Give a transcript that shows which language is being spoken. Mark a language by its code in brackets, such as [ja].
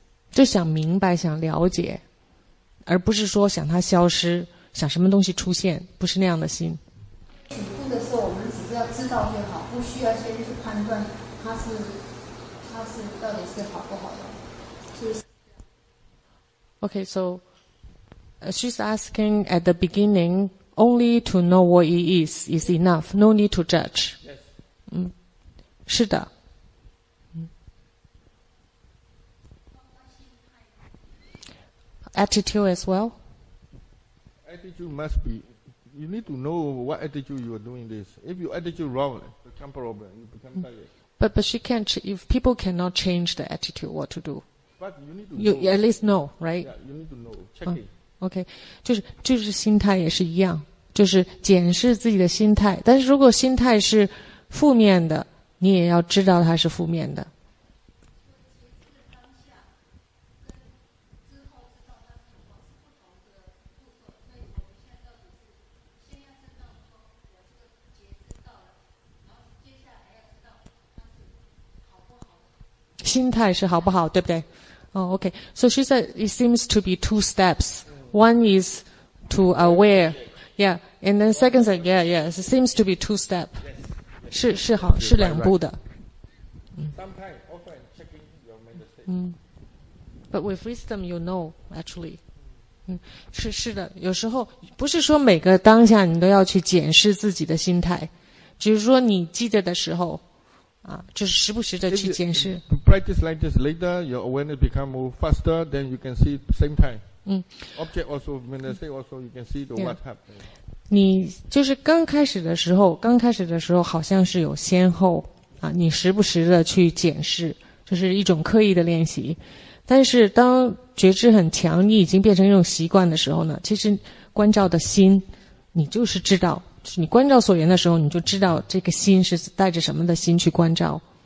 [zh] 就想明白，想了解，而不是说想它消失，想什么东西出现，不是那样的心。起步的时候，我们只是要知道就好，不需要先去判断它是到底是好不好的。 [en] Okay, so she's asking at the beginning only to know what it is enough, no need to judge. Yes. [zh] 是的。 [en] Attitude as well. Attitude must be, you need to know what attitude you are doing this. If your attitude wrong, it becomes a problem, you become tired. But she can't, if people cannot change the attitude, what to do? But you need to know. You at least know, right? Yeah, you need to know. Check it. Okay. [zh] 就是心态也是一样，就是检视自己的心态。但是如果心态是负面的，你也要知道它是负面的。心态是好不好，对不对？ [en] Oh, okay. So she said it seems to be two steps. One is to aware. Yeah. And then second step, yeah, yes. It seems to be two step. Yes. [zh] 是是好是两步的。 [en] Sometimes often checking your mental state. But with wisdom, you know, actually. [zh] 是是的，有时候不是说每个当下你都要去检视自己的心态，只是说你记得的时候，啊，就是时不时的去检视。 [en] Practice like this later, your awareness become more faster, then you can see same time. Object also, mental state also, you can see the what happened. [zh] 你就是刚开始的时候，刚开始的时候好像是有先后啊，你时不时的去检视，就是一种刻意的练习。但是当觉知很强，你已经变成一种习惯的时候呢，其实观照的心，你就是知道，就是你观照所缘的时候，你就知道这个心是带着什么的心去观照。